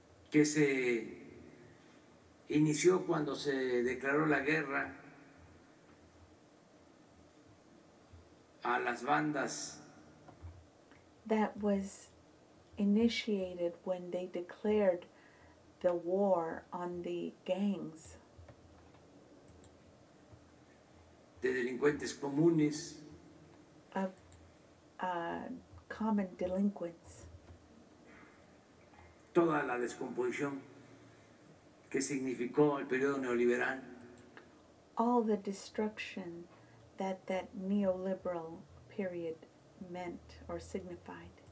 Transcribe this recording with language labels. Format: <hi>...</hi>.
<es>Que se inició cuando se declaró la guerra a las bandas.</es> <en>That was initiated when they declared the war on the gangs.</en> <es>De delincuentes comunes.</es> <en>Of common delinquents.</en> <es>Toda la descomposición que significó el periodo neoliberal.</es> <en>All the destruction that that neoliberal period meant or signified.</en>